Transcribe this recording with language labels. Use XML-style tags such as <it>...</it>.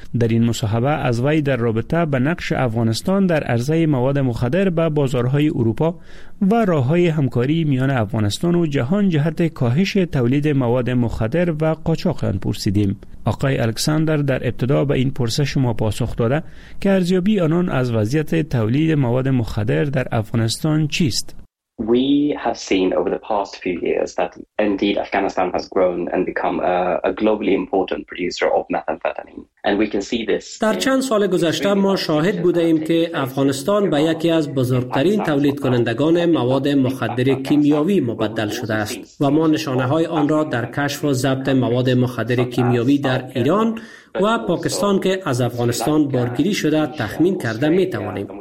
<fa>در این مصاحبه از وی در رابطه به نقش افغانستان در عرضه مواد مخدر به بازارهای اروپا و راه‌های همکاری میان افغانستان و جهان جهت کاهش تولید مواد مخدر و قاچاق آن پرسیدیم. آقای الکساندر در ابتدا به این پرسش ما پاسخ داده که ارزیابی آنان از وضعیت تولید مواد مخدر در افغانستان چیست؟</fa> <en>We have seen over the past few years that indeed Afghanistan has grown and become a globally important producer of methamphetamine. And we can see this.</en> <fa>در چند سال گذشته ما شاهد بوده ایم که افغانستان به یکی از بزرگترین تولید کنندگان مواد مخدر کیمیاوی مبدل شده است و ما نشانه های آن را در کشف و ضبط مواد مخدر کیمیاوی در ایران و پاکستان که از افغانستان بارگیری شده تخمین کرده می توانیم.</fa>